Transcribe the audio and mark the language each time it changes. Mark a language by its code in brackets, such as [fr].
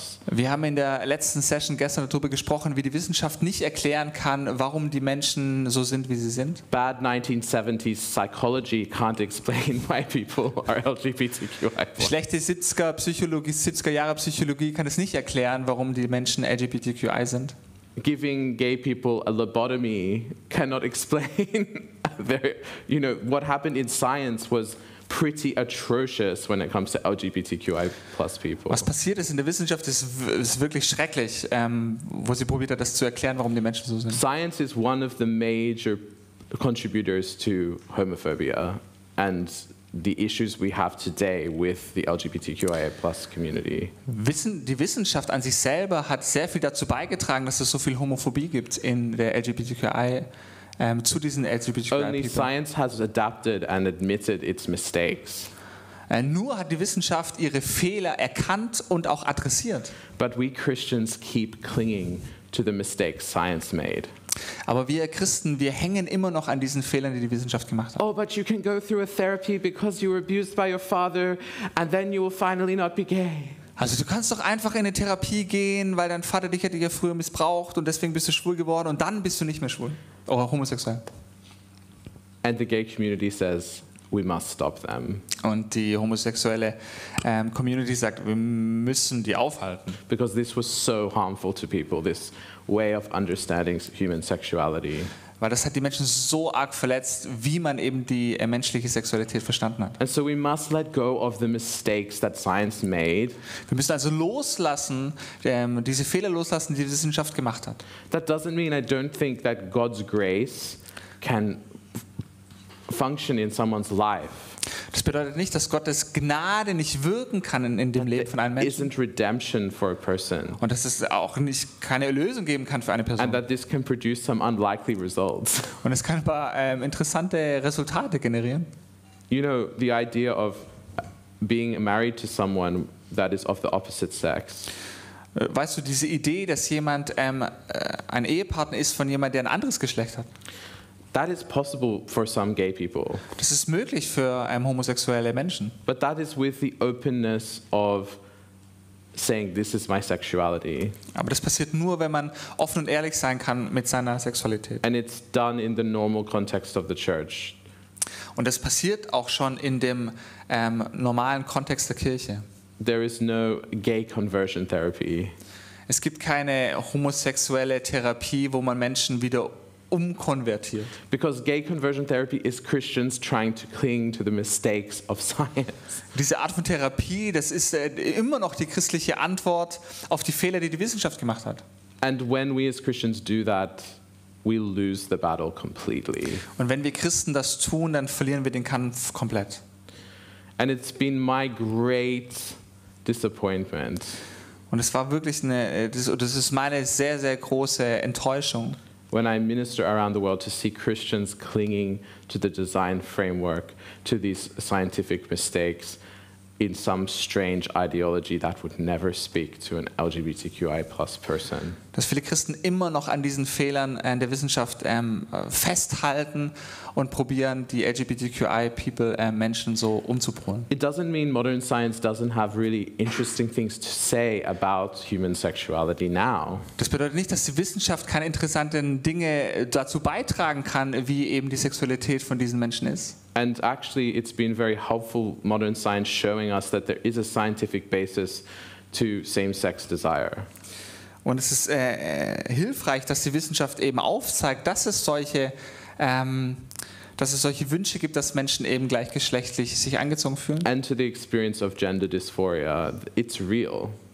[de] Wir haben in der letzten Session gestern darüber gesprochen, wie die Wissenschaft nicht erklären kann, warum die Menschen so sind, wie sie sind. [en] Bad 1970s psychology can't explain why people are LGBTQI+. [de] Schlechte 70er Jahre Psychologie kann es nicht erklären, warum die Menschen LGBTQI sind. [en] Giving gay people a lobotomy cannot explain their, you know, what happened in science was pretty atrocious when it comes to LGBTQI plus people. [de] Was passiert ist in der Wissenschaft ist wirklich schrecklich, wo sie probiert hat, das zu erklären, warum die Menschen so sind. [en] Science is one of the major contributors to homophobia and the issues we have today with the LGBTQIA+ community. [de] Die Wissenschaft an sich selber hat sehr viel dazu beigetragen, dass es so viel Homophobie gibt in der LGBTQI zu diesen LGBTQI. [en] Only science has adapted and admitted its mistakes. [de] Nur hat die Wissenschaft ihre Fehler erkannt und auch adressiert. [en] But we Christians keep clinging to the mistakes science made. [de] Aber wir Christen, wir hängen immer noch an diesen Fehlern, die die Wissenschaft gemacht hat. [en] Oh, but you can go through a therapy because you were abused by your father and then you will finally not be gay. [de] Also du kannst doch einfach in eine Therapie gehen, weil dein Vater dich hätte ja früher missbraucht und deswegen bist du schwul geworden und dann bist du nicht mehr schwul. Oder homosexuell. [en] And the gay community says we must stop them. [de] Und die homosexuelle Community sagt, wir müssen die aufhalten. [en] Because this was so harmful to people, this way of understanding human sexuality. [de] Weil das hat die Menschen so arg verletzt, wie man eben die menschliche Sexualität verstanden hat. [en] And so we must let go of the mistakes that science made. [de] Wir müssen also loslassen, diese Fehler loslassen, die Wissenschaft gemacht hat. [en] That doesn't mean I don't think that God's grace can function in someone's life. [de] Das bedeutet nicht, dass Gottes Gnade nicht wirken kann in dem Leben von einem Menschen. [en] Isn't redemption for a person. [de] Und dass es auch nicht keine Erlösung geben kann für eine Person. [en] And that this can produce some unlikely results. [de] Und es kann ein paar interessante Resultate generieren. [en] You know, the idea of being married to someone that is of the opposite sex. [de] Weißt du, diese Idee, dass jemand ein Ehepartner ist von jemand, der ein anderes Geschlecht hat. [en] That is possible for some gay people. [de] Das ist möglich für homosexuelle Menschen. [en] But that is with the openness of saying this is my sexuality. [de] Aber das passiert nur, wenn man offen und ehrlich sein kann mit seiner Sexualität. [en] And it's done in the normal context of the church. [de] Und das passiert auch schon in dem normalen Kontext der Kirche. [en] There is no gay conversion therapy. [de] Es gibt keine homosexuelle Therapie, wo man Menschen wieder umkonvertiert. [en] Because gay conversion therapy is Christians trying to cling to the mistakes of science. [de] Diese Art von Therapie, das ist immer noch die christliche Antwort auf die Fehler, die die Wissenschaft gemacht hat. [en] And when we as Christians do that, we lose the battle completely. [de] Und wenn wir Christen das tun, dann verlieren wir den Kampf komplett. [en] And it's been my great disappointment. [de] Und es war wirklich das ist meine sehr, sehr große Enttäuschung. [en] When I minister around the world to see Christians clinging to the design framework, to these scientific mistakes, in some strange ideology that would never speak to an LGBTQI plus person. [de] Dass viele Christen immer noch an diesen Fehlern der Wissenschaft festhalten und probieren, die LGBTQI people Menschen so umzubringen. [en] It doesn't mean modern science doesn't have really interesting things to say about human sexuality now. [de] Das bedeutet nicht, dass die Wissenschaft keine interessanten Dinge dazu beitragen kann, wie eben die Sexualität von diesen Menschen ist. [en] And actually it's been very helpful modern science showing us that there is a scientific basis to same-sex desire. [de] Und es ist hilfreich, dass die Wissenschaft eben aufzeigt, dass es solche Wünsche gibt, dass Menschen eben gleichgeschlechtlich sich angezogen fühlen. [en] And to the experience of gender dysphoria, it's real.